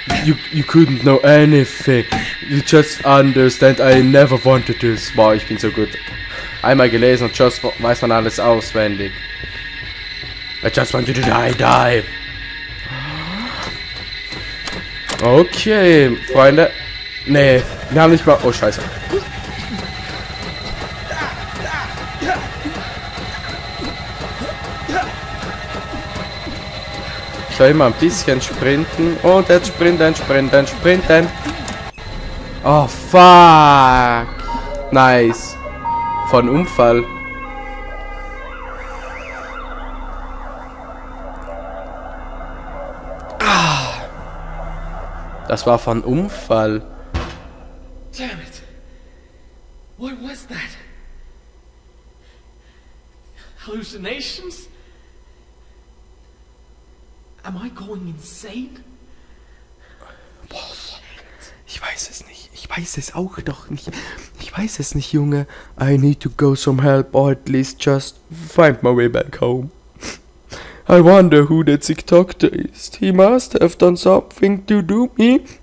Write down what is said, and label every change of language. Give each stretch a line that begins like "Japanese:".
English: You couldn't know anything. You just understand I never wanted this.
German: Wow, ich bin so gut. Einmal gelesen und just weiß man alles auswendig.
English: I just want you to die.
German: Okay, Freunde. Nee, wir haben nicht mal. Oh Scheiße. Ich soll immer ein bisschen sprinten. Und jetzt sprinten, sprinten, sprinten.
English: Oh fuck. Nice.
German: Von Unfall. Das war von Unfall.
English: Damn it. What was that? Hallucinations? Am I going insane? Boah, shit.
German: Ich weiß es nicht. Ich weiß es auch doch nicht. Ich weiß es nicht, Junge.
English: I need to go some help or at least just find my way back home. I wonder who the TikToker is. He must have done something to do me.